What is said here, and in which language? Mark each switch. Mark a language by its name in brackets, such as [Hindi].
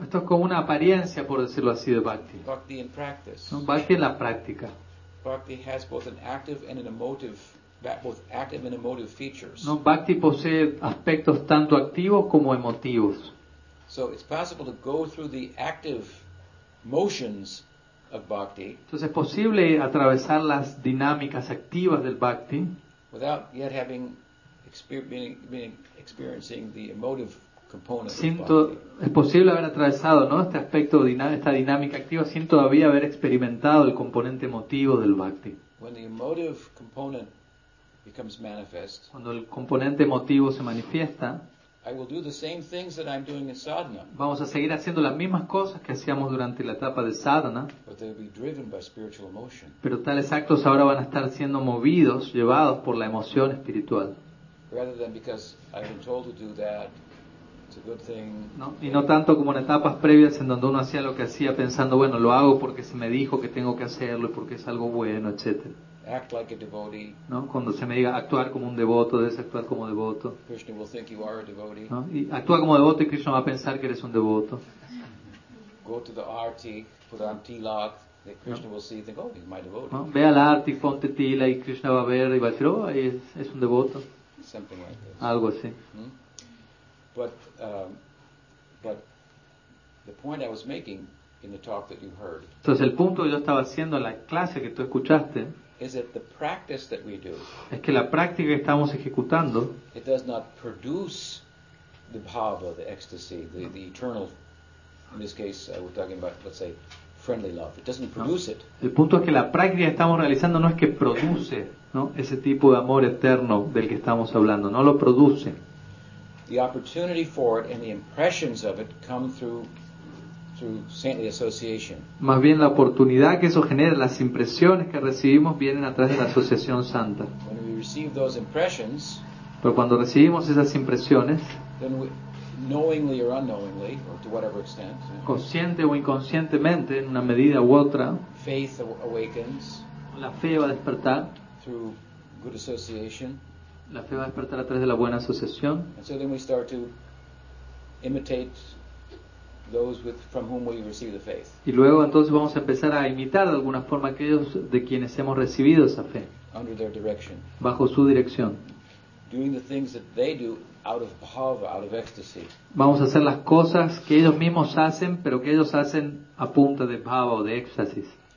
[Spanish] Esto es como una apariencia, por decirlo así, de bhakti. [English] Bhakti in practice. [Spanish] ¿No? Bhakti en la práctica. [English] Bhakti has both an active and an emotive, both active and emotive features. [Spanish] ¿No? Bhakti posee aspectos tanto activos como emotivos. [English] So it's possible to go through the active motions of bhakti. [Spanish] Entonces es posible atravesar las dinámicas activas del bhakti. [English] Without yet having experiencing the emotive component. [Spanish] Es posible haber atravesado, ¿no?, este aspecto, esta dinámica activa, sin todavía haber experimentado el componente emotivo del bhakti. [English] When the emotive component becomes manifest, [Spanish] cuando el componente emotivo se manifiesta, [English] I will do the same things that I'm doing in sadhana. [Spanish] Vamos a seguir haciendo las mismas cosas que hacíamos durante la etapa de sadhana. [English] But they'll be driven by spiritual emotion. [Spanish] Pero tales actos ahora van a estar siendo movidos, llevados por la emoción espiritual. [English] Rather than because I've been told to do that, it's a good thing. [Spanish] No, y no tanto como en etapas previas en donde uno hacía lo que hacía pensando, bueno, lo hago porque se me dijo que tengo que hacerlo y porque es algo bueno, etc. [English] Act like a devotee. [Spanish] No, cuando se me diga actuar como un devoto, debes actuar como devoto. [English] Krishna will think you are a devotee. [Spanish] No, y actúa como devoto y Krishna va a pensar que eres un devoto. [English] Go to the arti, put on tilak, that Krishna will see, think, oh, he's my devotee. [Spanish] No, ve al arti, ponte tila y Krishna va a ver y va a decir, oh, es un devoto. [English] Something like this. [Spanish] Algo así. Hmm? [English] But the point I was making in the talk that you heard. [Spanish] Entonces el punto que yo estaba haciendo en la clase que tú escuchaste. [English] Is that the practice that we do? [Spanish] Es que la práctica que estamos ejecutando. [English] It does not produce the bhava, the ecstasy, the eternal. In this case, we're talking about, let's say, friendly love. It doesn't produce [Spanish] no. [English] It. [Spanish] El punto es que la práctica que estamos realizando no es que produce, ¿no?, ese tipo de amor eterno del que estamos hablando. No lo produce. [English] The opportunity for it and the impressions of it come through saintly association. [Spanish] Más bien la oportunidad que eso genera, las impresiones que recibimos vienen a través de la asociación santa. [English] When we receive those impressions, [Spanish] pero cuando recibimos esas impresiones, [English] then we, knowingly or unknowingly, or to whatever extent, [Spanish] consciente o inconscientemente, en una medida u otra, [English] faith awakens, [Spanish] la fe va a despertar [English] through good association, [Spanish] la fe va a despertar a través de la buena asociación. [English] And so then we start to imitate those with, from whom we receive the faith. [Spanish] Y luego entonces vamos a empezar a imitar de alguna forma aquellos de quienes hemos recibido esa fe, [English] under their direction, [Spanish] bajo su dirección, [English] doing the things that they do out of bhava, out of ecstasy. [Spanish] Vamos a hacer las cosas que ellos mismos hacen, pero que ellos hacen a punta de bhava o de éxtasis.